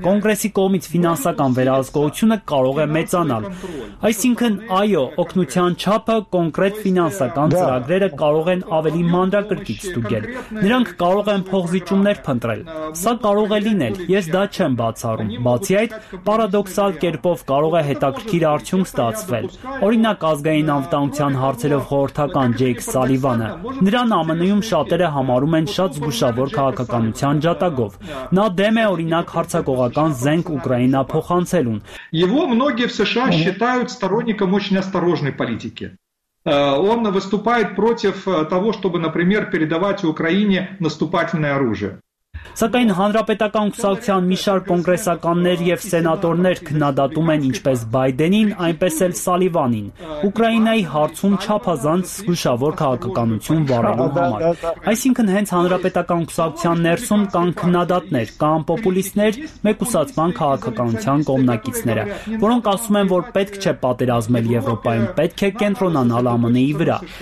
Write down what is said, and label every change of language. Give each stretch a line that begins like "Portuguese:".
Armenian: Կոնգրեսի կողմից ֆինանսական վերահսկողությունը կարող է մեծանալ, այսինքն այո, օգնության չափը, կոնկրետ ֆինանսական ծրագրերը կարող են ավելի մանրակրկիտ ստուգել, նրանք կարող են փոխզիջումներ փնտրել, սա կարող է լինել, ես դա չեմ բացառում, բացի այդ, պարադոքսալ կերպով կարող է հետաքրքիր արդյունք ստացվել, օրինակ ազգային անվտանգության հարցերով խորհրդական Ջեյք Սալիվանը, նրան ԱՄՆ-ում շատերը համարում են շատ զգուշավոր քաղաքականության ջատագով, նա դեմ է օրինակ հարցակողական զենք Ուկրաինա փոխանցելուն։
Russian: Его многие в США считают сторонником очень осторожной политики. он выступает против того, чтобы, например, передавать Украине наступательное оружие.
Armenian: Սակայն հանրապետական ուսակցության մի շարք կոնգրեսականներ եւ սենատորներ քննադատում են ինչպես Բայդենին, այնպես էլ Սալիվանին, Ուկրաինայի հարցում չափազանց զգուշավոր քաղաքականություն վարելու համար։ Այսինքն հենց հանրապետական ուսակցության ներսում կան քննադատներ, կան պոպուլիստներ, մեկուսացման քաղաքականության կողմնակիցները, որոնք ասում են, որ պետք չէ պատերազմել Եվրոպայում, պետք է կենտրոնանալ ԱՄՆ-ի վրա։